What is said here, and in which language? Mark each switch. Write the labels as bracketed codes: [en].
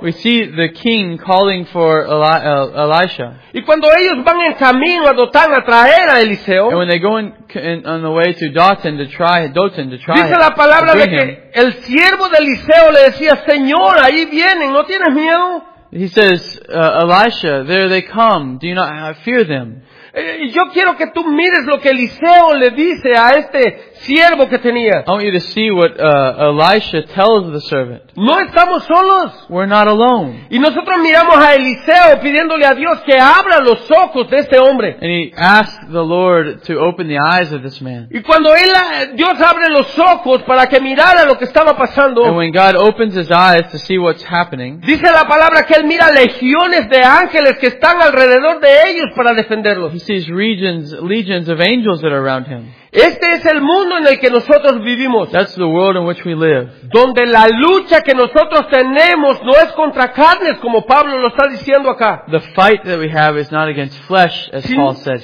[en] We see the king calling for Elisha. [es] Y cuando ellos van en camino a Dotán a traer a Eliseo. [en] And when they go on the way to Dotán to try Dotán to try. [es] Dice la palabra de que el siervo de Eliseo le decía, Señor, ahí vienen, ¿no tienes miedo? [en] He says, Elisha, there they come. Do you not fear them? [es] Yo quiero que tú mires lo que Eliseo le dice a este siervo que tenía. [en] I want you to see what Elisha tells the servant. [es] No estamos solos. [en] We're not alone. [es] Y nosotros miramos a Eliseo pidiéndole a Dios que abra los ojos de este hombre. [en] And he asked the Lord to open the eyes of this man. [es] Y cuando Dios abre los ojos para que mirara lo que estaba pasando. [en] And when God opens his eyes to see what's happening. [es] Dice la palabra que él mira legiones de ángeles que están alrededor de ellos para defenderlos. [en] He sees legions of angels that are around him. [es] Este es el mundo en el que nosotros vivimos. [en] That's the world in which we live. [es] Donde la lucha que nosotros tenemos no es contra carnes, como Pablo lo está diciendo acá. [en] The fight that we have is not against flesh, as Paul says.